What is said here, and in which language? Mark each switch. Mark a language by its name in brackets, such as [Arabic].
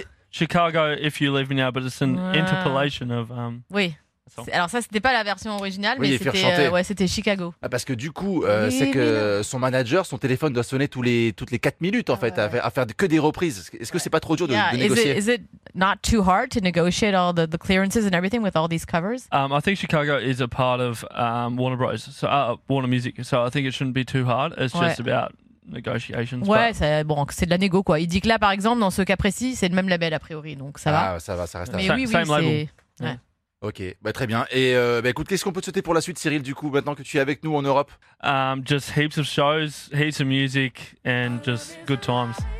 [English] Chicago, If You Leave Me Now, but it's an interpolation of... [French] Oui. Alors ça, c'était pas la version originale, mais c'était Chicago. Ah, parce que du coup, c'est que son manager, son téléphone doit sonner toutes les 4 minutes, en fait, à faire que des reprises. Est-ce que c'est pas trop dur de négocier? [English] Is it not too hard to negotiate all the clearances and everything with all these covers? I think Chicago is a part of Warner Bros. So Warner Music. So I think it shouldn't be too hard. It's just about negotiations. [French] Ouais, c'est de la négo, quoi. Il dit que là, par exemple, dans ce cas précis, c'est le même label, a priori. Donc ça va. Ah, ça va, ça reste. Mais oui, [English] same label. [French] Ouais. Ok, bah très bien. Et bah écoute, qu'est-ce qu'on peut te souhaiter pour la suite, Cyril, du coup, maintenant que tu es avec nous en Europe? [English] Just heaps of shows, heaps of music and just good times.